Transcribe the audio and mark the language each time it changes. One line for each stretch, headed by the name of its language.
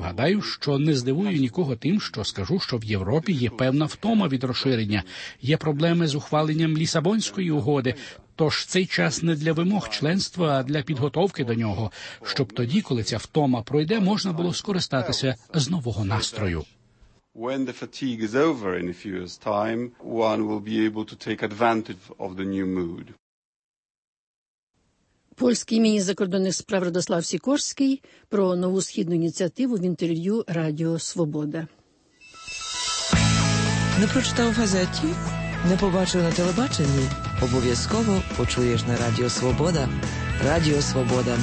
Ukrainian: Гадаю, що не здивую нікого тим, що скажу, що в Європі є певна втома від розширення. Є проблеми з ухваленням Лісабонської угоди. Тож цей час не для вимог членства, а для підготовки до нього. Щоб тоді, коли ця втома пройде, можна було скористатися з нового настрою.
English: When the fatigue is over in a few years' time, one will be able to take advantage of the new mood.
Ukrainian: Польський міністр закордонних справ Радослав Сікорський про нову східну ініціативу в інтерв'ю Радіо Свобода. Не прочитав в газеті? Не побачив на телебаченні? Обов'язково почуєш на Радіо Свобода. Радіо Свобода.